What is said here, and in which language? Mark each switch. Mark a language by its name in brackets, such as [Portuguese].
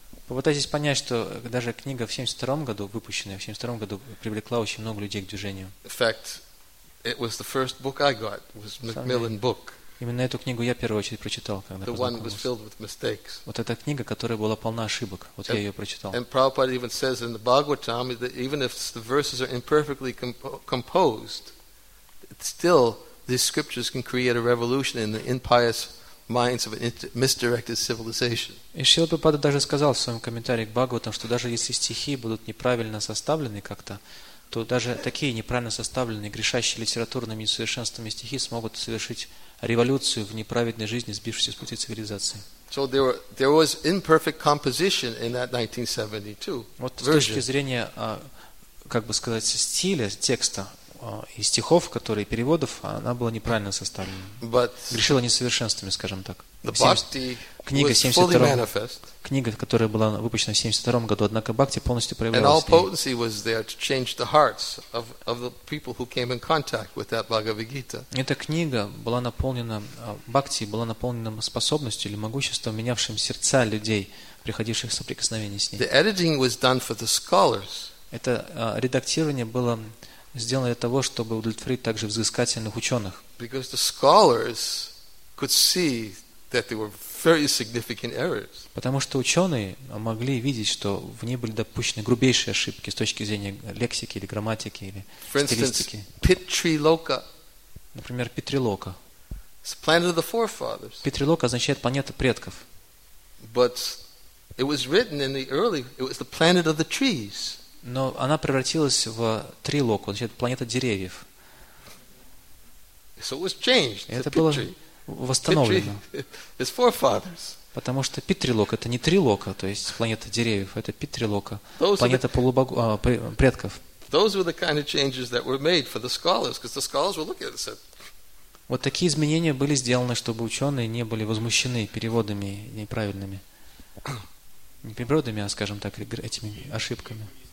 [Russian] Попытайтесь понять, что даже книга в 72 году, выпущенная в 72 году, привлекла очень много людей к движению. [English] In fact, it was the first book I got. Was Macmillan book. [Russian] Именно эту книгу я в первую очередь прочитал, когда [English] the one was filled with mistakes. [Russian] Вот эта книга, которая была полна ошибок. Вот я ее прочитал. [English] And Prabhupada even says in the Bhagavatam that even if the verses are imperfectly composed, still, these scriptures can create a revolution in the impious minds of a misdirected civilization. [Russian] И Шрила Прабхупада даже сказал в своем комментарии к Бхагаватам, что даже если стихи будут неправильно составлены как-то, то даже такие неправильно составленные, грешащие литературными несовершенствами стихи смогут совершить революцию в неправедной жизни, сбившейся с пути цивилизации. [English] So there was imperfect composition in that 1972 version. [Russian] Вот с точки зрения, как бы сказать, стиля текста. И стихов, которые переводов, она была неправильно составлена. [English] But [Russian] грешила несовершенствами, скажем так. [English] The Bhakti [Russian] книга, [English] was fully manifest. [Russian] Книга, которая была выпущена в 72 году, однако Бхакти полностью проявилась. [English] And all potency was there to change the hearts of the people who came in contact with that Bhagavad Gita. [Russian] Эта книга была наполнена, Бхакти была наполнена способностью или могуществом, менявшим сердца людей, приходивших в соприкосновение с ней. [English] The editing was done for the scholars. [Russian] Это редактирование было сделано для того, чтобы удовлетворить также взыскательных ученых. [English] Because the scholars could see that there were very significant errors. [Russian] Потому что ученые могли видеть, что в ней были допущены грубейшие ошибки с точки зрения лексики или грамматики или стилистики. Питрилока. Например, Питрилока. [English] It's planet of the forefathers. [Russian] Питрилока означает планета предков. [English] But it was written in the early. It was the planet of the trees. [Russian] Но она превратилась в трилоку, значит, планета деревьев. [English] So it was changed. [Russian] Это было восстановлено. [English] It's forefathers. [Russian] Потому что питрилок это не трилока, то есть планета деревьев, это питрилока, планета полубогу, предков. [English] Those were the kind of changes that were made for the scholars, because the scholars were looking at it and said. [Russian] Вот такие изменения были сделаны, чтобы ученые не были возмущены переводами неправильными, не переводами, а, скажем так, этими ошибками.